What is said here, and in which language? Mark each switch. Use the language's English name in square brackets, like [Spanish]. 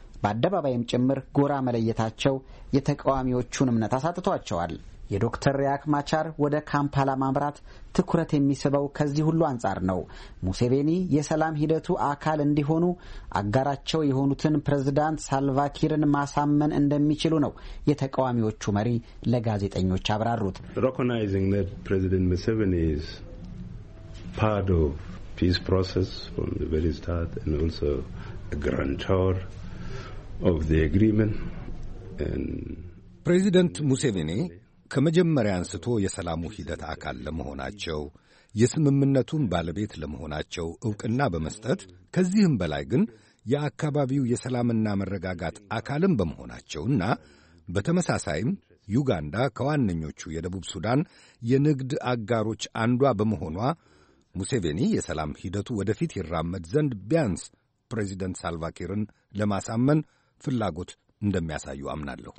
[Amharic] በአደባባይም ጭምር ጎራ መለየታቸው የተቃዋሚዎቹን እምነት አሳጥቷቸዋል። የዶክተር ሪያክ ማቻር ወደ ካምፓላ ማምራት ትኩረት የሚስበው ከዚህ ሁሉ አንጻር ነው። ሙሴቬኒ የሰላም ሂደቱ አካል እንዲሆኑ አጋራቸው የሆኑትን ፕሬዝዳንት ሳልቫኪርን ማሳመን እንደሚችሉ ነው የተቃዋሚዎቹ መሪ ለጋዜጠኞች አብራሩት። [English] Recognizing that President Museveni is part of peace process from the very start and also a guarantor of the agreement and [Amharic] President Museveni ከመጀመሪያ አንስቶ የሰላሙ ሂደት አካል ለመሆናቸው የስምምነቱን ባለቤት ለመሆናቸው ዕውቅና በመስጠት ከዚህም በላይ ግን የአካባቢው የሰላምና መረጋጋት አካልም በመሆናቸውና በተመሳሳይም ዩጋንዳ ከዋነኞቹ የደቡብ ሱዳን የንግድ አጋሮች አንዷ በመሆኗ ሙሴቬኒ የሰላም ሂደቱ ወደፊት ይራመድ ዘንድ ቢያንስ ፕሬዚደንት ሳልቫኪርን ለማሳመን ፍላጎት እንደሚያሳዩ አምናለሁ።